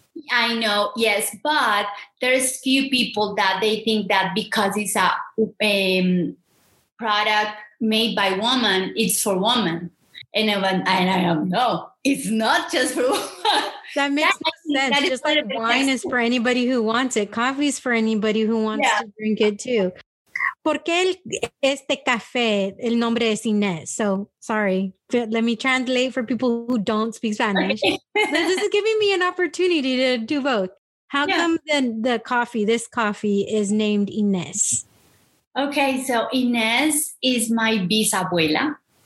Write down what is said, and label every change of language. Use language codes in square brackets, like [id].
[en] I know, yes, but there's few people that they think that because it's a product made by woman, it's for woman. And I don't know, it's not just for woman. That makes that, sense. That just like wine is for anybody who wants it. Coffee is for anybody who wants to drink it too. [es] ¿Por qué este café, el nombre es Inés? [en] So, sorry, let me translate for people who don't speak Spanish. Okay. This is giving me an opportunity to do both. How come the coffee, this coffee, is named Inés? Okay, so Inés is my bisabuela.